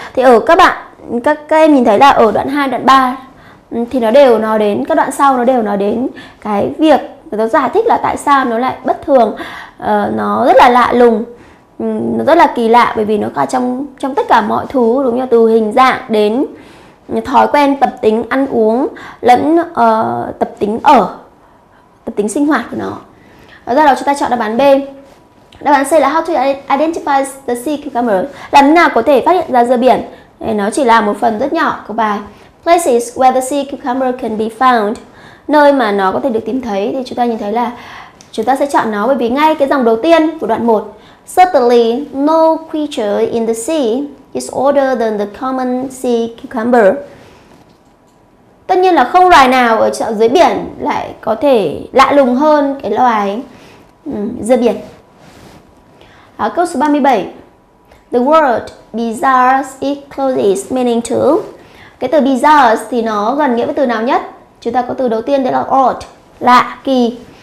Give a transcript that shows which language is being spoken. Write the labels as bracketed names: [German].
[Vietnamese] Thì ở các bạn, các em nhìn thấy là ở đoạn 2, đoạn 3 thì nó đều nói đến, các đoạn sau nó đều nói đến cái việc nó giải thích là tại sao nó lại bất thường, nó rất là lạ lùng, nó rất là kỳ lạ, bởi vì nó cả trong tất cả mọi thứ, đúng như từ hình dạng đến thói quen, tập tính ăn uống lẫn tập tính ở, tập tính sinh hoạt của nó. Do đó chúng ta chọn đáp án B. Đáp án C là [English] how to identify the sea cucumber. [Vietnamese] Làm thế nào có thể phát hiện ra dưa biển? Nó chỉ là một phần rất nhỏ của bài. [English] Places where the sea cucumber can be found. [Vietnamese] Nơi mà nó có thể được tìm thấy thì chúng ta nhìn thấy là chúng ta sẽ chọn nó, bởi vì ngay cái dòng đầu tiên của đoạn 1. [English] Certainly no creature in the sea is older than the common sea cucumber. [Vietnamese] Tất nhiên là không loài nào ở chợ dưới biển lại có thể lạ lùng hơn cái loài dưa biển. Câu số 37. [English] The word bizarre is closest meaning to. [Vietnamese] Cái từ bizarre thì nó gần nghĩa với từ nào nhất? Chúng ta có từ đầu tiên đấy là odd, lạ, kỳ.